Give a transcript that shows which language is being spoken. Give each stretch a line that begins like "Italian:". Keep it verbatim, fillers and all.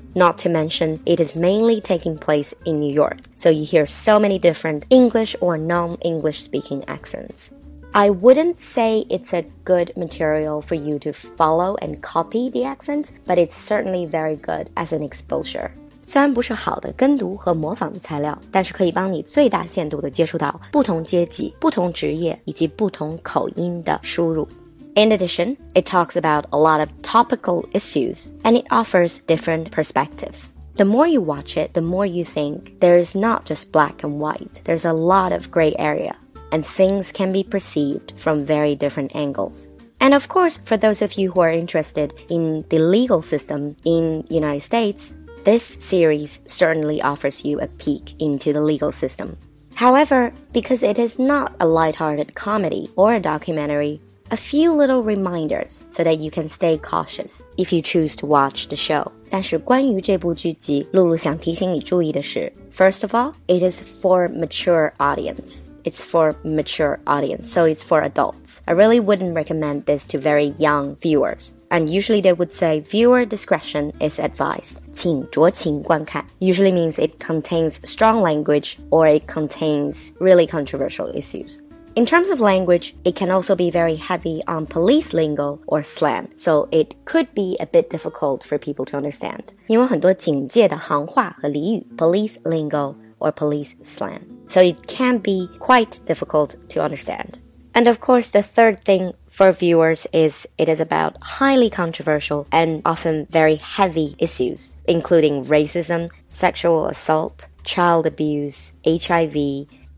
English: Not to mention, it is mainly taking place in New York. So you hear so many different English or non-English speaking accents. I wouldn't say it's a good material for you to follow and copy the accents, but it's certainly very good as an exposure.
Chinese: 虽然不是好的跟读和模仿的材料，但是可以帮你最大限度地接触到不同阶级、不同职业以及不同口音的输入。
English: In addition, it talks about a lot of topical issues, and it offers different perspectives. The more you watch it, the more you think there is not just black and white. There's a lot of gray area, and things can be perceived from very different angles. And of course, for those of you who are interested in the legal system in the United States,This series certainly offers you a peek into the legal system. However, because it is not a lighthearted comedy or a documentary, a few little reminders so that you can stay cautious if you choose to watch the show.
Chinese: 但是关于这部剧集，露露想提醒你注意的是
English: First of all, it is for mature audience. It's for mature audience, so it's for adults. I really wouldn't recommend this to very young viewers. And usually they would say viewer discretion is advised.
Chinese: 请酌情观看
English: usually means it contains strong language or it contains really controversial issues. In terms of language, it can also be very heavy on police lingo or slang, so it could be a bit difficult for people to understand.
Chinese: 因为很多警戒的行话和俚语
English: police lingo or police slang. So it can be quite difficult to understand. And of course, the third thing for viewers is it is about highly controversial and often very heavy issues, including racism, sexual assault, child abuse, H I V.